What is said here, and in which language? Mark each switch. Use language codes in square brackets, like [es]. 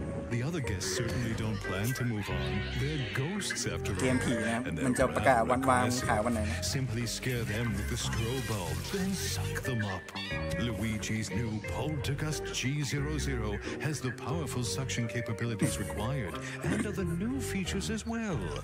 [en] The other guests certainly don't plan to move on. They're ghosts after all. GMP, yeah. [th] มันจะประกาศวันวางขายวันไหนนะ [en] Simply scare them with the straw bulb, then suck them up. Luigi's new Poltergust G00 has the powerful suction capabilities required, and other new features as well.